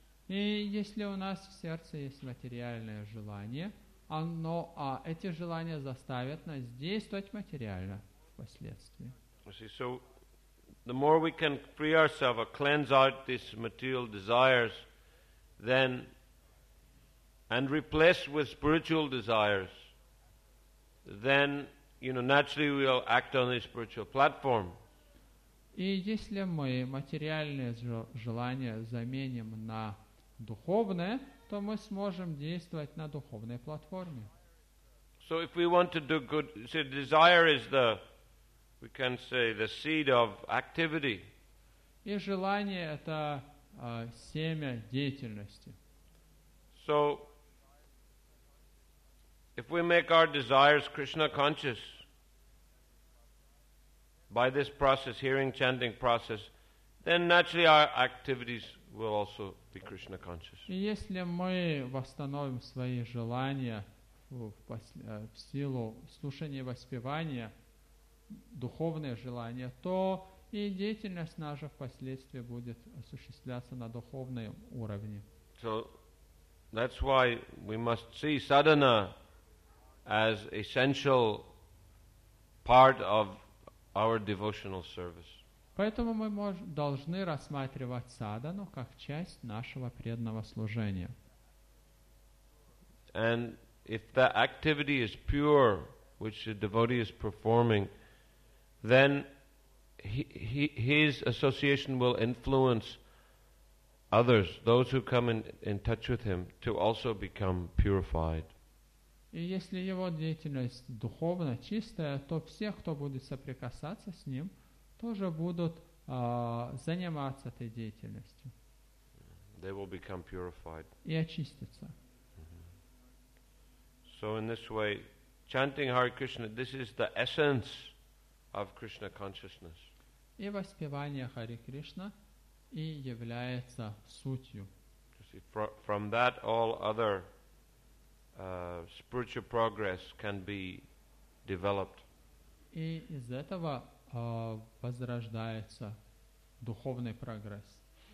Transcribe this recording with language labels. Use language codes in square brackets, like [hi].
[ru] И если у нас в сердце есть материальное желание, оно, эти желания заставят нас действовать материально впоследствии. [en] So the more we can free ourselves or cleanse out these material desires, then and replace with spiritual desires, then, you know, naturally we'll act on the spiritual platform. [ru] И если мы материальные желания заменим на духовное, то мы сможем действовать на духовной платформе. [en] So if we want to do good, so desire is the, we can say, the seed of activity. [ru] И желание — это семя деятельности. [en] So, if we make our desires Krishna conscious, by this process, hearing, chanting process, then naturally our activities will also be Krishna conscious. [ru] Если мы восстановим свои желания в силу слушания и воспевания, духовные желания, то и деятельность наша впоследствии будет осуществляться на духовном уровне. [en] So that's why we must see sadhana as essential part of our devotional service. [ru] Поэтому мы должны рассматривать садхану как часть нашего преданного служения. [en] And if the activity is pure, which the devotee is performing, then his association will influence others, those who come in touch with him, to also become purified. [ru] И если его деятельность духовно чистая, то все, кто будет соприкасаться с ним, тоже будут заниматься этой деятельностью. [en] They will become purified. [ru] И очиститься. [en] So in this way, chanting Hare Krishna, this is the essence of Krishna consciousness. [ru] И воспевание Хари Кришна и является сутью. [en] From that all other spiritual progress can be developed. [ru] И из этого возрождается духовный прогресс.